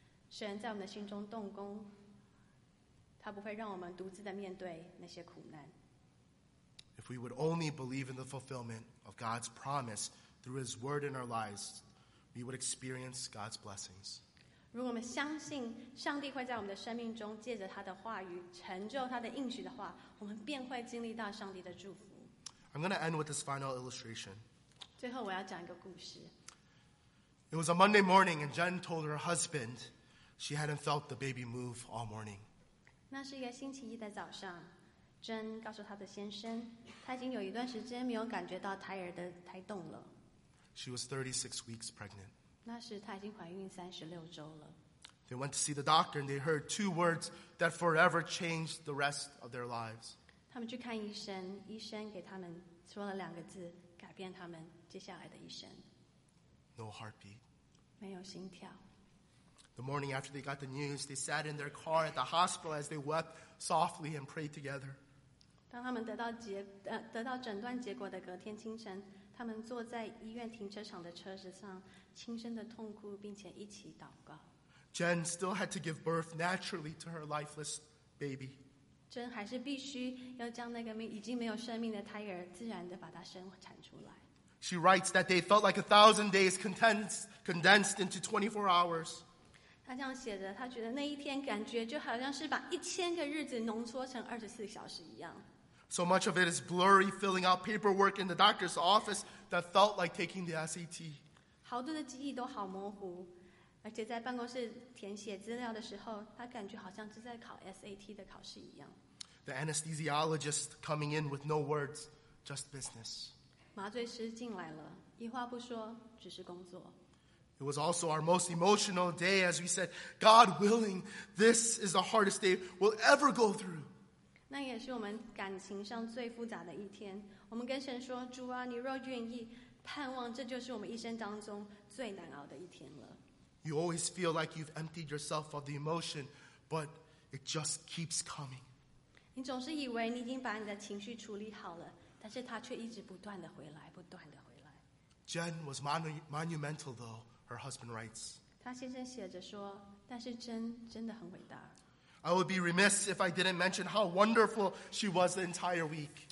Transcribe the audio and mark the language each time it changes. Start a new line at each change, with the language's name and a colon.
Chinese: 神在我们的心中动工。他不会让我们独自地面对那些苦难。
English: If we would only believe in the fulfillment of God's promise through His word in our lives, we would experience God's blessings.
Chinese: 如果我们相信上帝会在我们的生命中借着他的话语成就他的应许的话，我们便会经历到上帝的祝福。
English: I'm going to end with this final illustration.
Chinese: 最后我要讲一个故事。
English: It was a Monday morning, and Jen told her husband she hadn't felt the baby move all morning.
Chinese: 那是一个星期一的早上，珍告诉她的先生，她已经有一段时间没有感觉到胎儿的胎动了。
English: She was 36 weeks pregnant.
Chinese: 那时她已经怀孕36周了。
English: They went to see the doctor and they heard two words that forever changed the rest of their lives.
Chinese: 他们去看医生，医生给他们说了两个字，改变他们接下来的一生。
English: No heartbeat.
Chinese: 没有心跳。
English: The morning after they got the news, they sat in their car at the hospital as they wept softly and prayed together.
Chinese: 当他们得到诊断结果的隔天清晨，他们坐在医院停车场的车子上，轻声的痛哭，并且一起祷告。
English: Jen still had to give birth naturally to her lifeless baby.
Chinese: 珍还是必须要将那个已经没有生命的胎儿自然的把它生产出来。
English: She writes that they felt like 1,000 days condensed into 24 hours.
Chinese: 她这样写着，她觉得那一天感觉就好像是把1,000个日子浓缩成24小时一样。
English: So much of it is blurry, filling out paperwork in the doctor's office that felt like taking the SAT.
Chinese: 好多的记忆都好模糊。而且在办公室填写资料的时候，他感觉好像是在考 SAT 的考试一样。
English: The anesthesiologist coming in with no words, just business.
Chinese: 麻醉师进来了，一话不说，只是工作。
English: It was also our most emotional day, as we said, God willing, this is the hardest day we'll ever go through.
Chinese: 那也是我们感情上最复杂的一天。我们跟神说，主啊，你若愿意，盼望这就是我们一生当中最难熬的一天了。
English: You always feel like you've emptied yourself of the emotion, but it just keeps coming.
Chinese: 你总是以为你已经把你的情绪处理好了，但是它却一直不断的回来，不断的回来。
English: Jen was monumental, though, her husband writes.
Chinese: 她先生写着说，但是珍真的很伟大。
English: I would be remiss if I didn't mention how wonderful she was the entire week.